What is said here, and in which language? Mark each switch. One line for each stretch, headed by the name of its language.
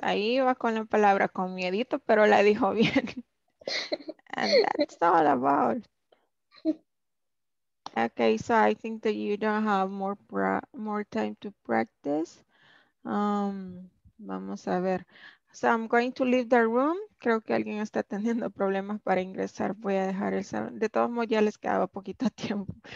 Spanish: Ahí iba con la palabra con miedito, pero la dijo bien.
English: And that's all about. Okay, so I think that you don't have more time to practice.
Spanish: Vamos a ver.
English: So I'm going to leave the room.
Spanish: Creo que alguien está teniendo problemas para ingresar. Voy a dejar el salón. De todos modos, ya les quedaba poquito tiempo.